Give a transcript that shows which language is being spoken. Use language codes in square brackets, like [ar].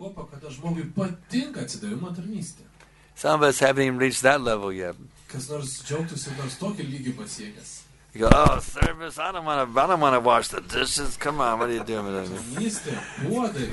[lt] Kada žmogui patinka atsidavimo tarnystė. [en] Some of us haven't even reached that level yet. [lt] Kas nors džiaugtųsi, nors tokį lygį pasiekęs. [en] You go, oh, service, I don't want to wash the dishes. Come on, what are you doing with that?